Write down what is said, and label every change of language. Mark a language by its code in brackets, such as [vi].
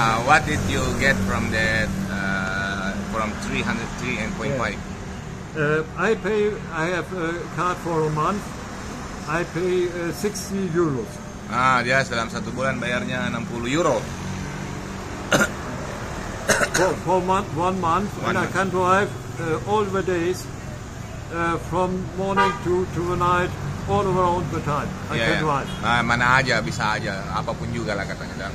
[en] What did you get from that, from 303.5? I have a card for a month. I pay 60 euros. [id] Ah, dia dalam satu bulan bayarnya 60 euro. [en] One month. I can drive all the days from morning to the night, all around the time. I can drive. [id] Mana aja, bisa aja, apapun juga lah katanya.